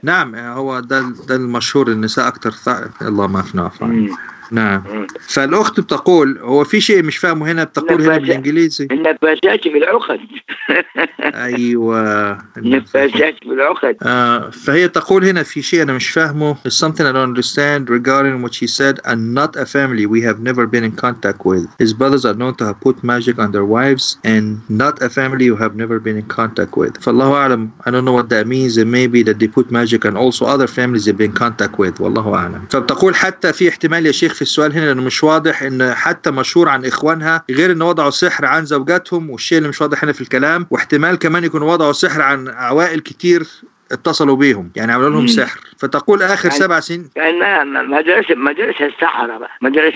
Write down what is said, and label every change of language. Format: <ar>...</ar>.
<ar>نعم, هو ده المشهور, النساء أكثر سحر. الله ما فينا أفعل. نعم. فالأخت بتقول هو في شيء مش فاهمه هنا, بتقول هنا بالإنجليزي النفاسات في العقد. أيوة, النفاسات في العقد. فهي تقول هنا في شيء أنا مش فاهمه.</ar> <en>It's something I don't understand regarding what she said, and not a family we have never been in contact with. His brothers are known to have put magic on their wives, and not a family we have never been in contact with.</en> <ar>فالله أعلم.</ar> <en>I don't know what that means. It may be that they put magic on also other families they've been in contact with.</en> <ar>والله أعلم. فبتقول حتى في احتمال يا شيخ في السؤال هنا, لأنه مش واضح إن حتى مشهور عن إخوانها, غير إن وضعوا سحر عن زوجاتهم, والشيء اللي مش واضح هنا في الكلام, واحتمال كمان يكون وضعوا سحر عن عوائل كتير اتصلوا بيهم, يعني عملوا لهم سحر. فتقول آخر يعني 7 سنين كان مدرسة السحرة بقى. مدرسة.</ar>